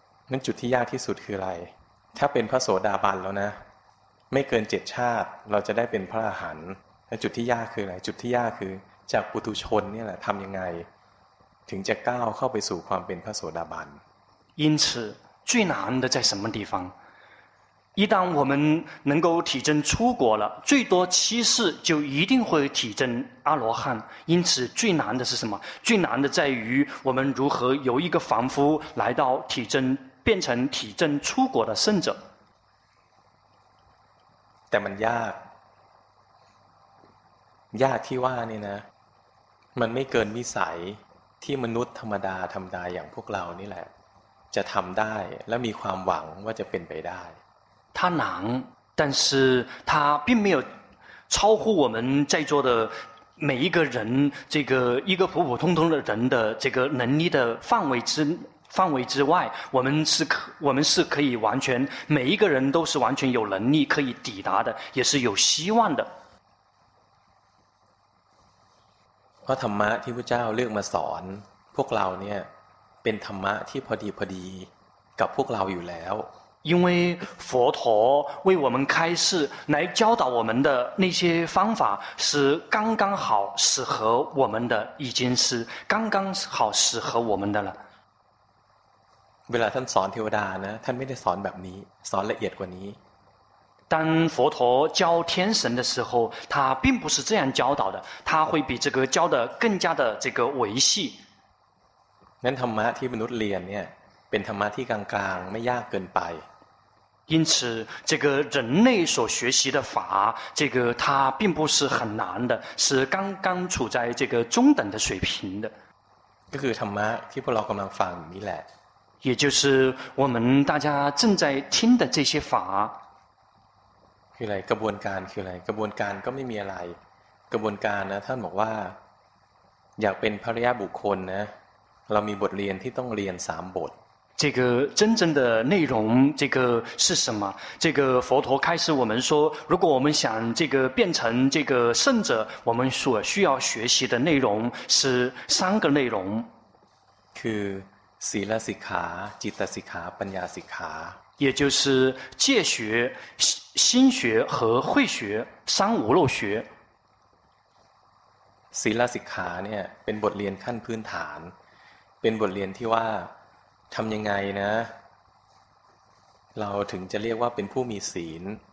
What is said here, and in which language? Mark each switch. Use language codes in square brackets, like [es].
[th] นั่นจุดที่ยากที่สุดคืออะไรถ้าเป็นพระโสดาบันแล้วนะไม่เกิน7ชาติเราจะได้เป็นพระอรหันต์จุดที่ยากคืออะไรจุดที่ยากคือจากปุถุชนนี่แหละทำยังไงถึงจะก้าวเข้าไปสู่ความเป็นพระโสดาบัน [zh] 因此最难的在什么地方一旦我们能够体证出果了最多七世就一定会体证阿罗汉因此最难的是什么最难的在于我们如何由一个凡夫来到体证变成体证出果的圣者 [th] แต่มันยากยากที่ว่านี่นะมันไม่เกินวิสัยที่มนุษย์ธรรมดาธรรมดาอย่างพวกเรานี่แหละจะทำได้และมีความหวังว่าจะเป็นไปได้ [zh] 它难但是它并没有超乎我们在座的每一个人这个一个普普通通的人的这个能力的范围之外我们是可以完全每一个人都是完全有能力可以抵达的也是有希望的 [th] เพราะธรรมะที่พระเจ้าเลือกมาสอนพวกเราเนี่ยเป็นธรรมะที่พอดีกับพวกเราอยู่แล้ว [zh] 因为佛陀为我们开示来教导我们的那些方法是刚刚好适合我们的已经是刚刚好适合我们的了 [th] เวลาท่านสอนเทวดานะท่านไม่ได้สอนแบบนี้สอนละเอียดกว่านี้ [zh] 当佛陀教天神的时候他并不是这样教导的他会比这个教的更加的这个维系 [th] นั้นธรรมะที่มนุษย์เรียนเนี่ยเป็นธรรมะที่กลางๆไม่ยากเกินไป [zh] 因此这个人类所学习的法这个它并不是很难的是刚刚处在这个中等的水平的 [th] ก็คือธรรมะที่พวกเรากำลังฟังนี่แหละ [zh] 也就是我们大家正在听的这些法 [th] คืออะไรกระบวนการคืออะไรกระบวนการก็ไม่มีอะไรกระบวนการนะท่านบอกว่าอยากเป็นพระอริยบุคคลนะเรามีบทเรียนที่ต้องเรียน3บท [zh] 这个真正的内容这个是什么这个佛陀开始我们说如果我们想这个变成这个圣者我们所需要学习的内容是三个内容 [th] คือศีลสิกขาจิตสิกขาปัญญาสิกขา [zh] 也就是戒学心学和慧学三无漏学 [th] ศีลสิกขาเนี่ยเป็นบทเรียนขั้นพื้นฐานเป็นบทเรียนที่ว่าทำยังไงนะเราถึงจะเรียกว่าเป็นผู้มีศีล